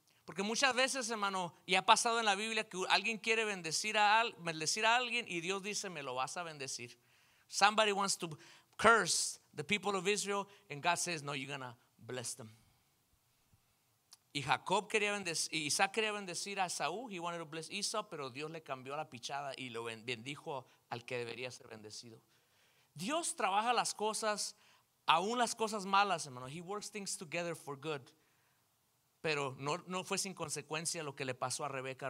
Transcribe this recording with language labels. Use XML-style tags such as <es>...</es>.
<es>Porque muchas veces, hermano, y ha pasado en la Biblia que alguien quiere bendecir a alguien y Dios dice, me lo vas a bendecir.</es> <en>Somebody wants to curse the people of Israel and God says, no, you're going to bless them.</en> <es>Y Jacob quería bendecir, Isaac quería bendecir a Saúl.</es> <en>He wanted to bless Esau,</en> <es>pero Dios le cambió la pichada y lo bendijo al que debería ser bendecido. Dios trabaja las cosas, aún las cosas malas, hermano.</es> <en>He works things together for good.</en> <es>Pero no fue sin consecuencia lo que le pasó a Rebeca.</es>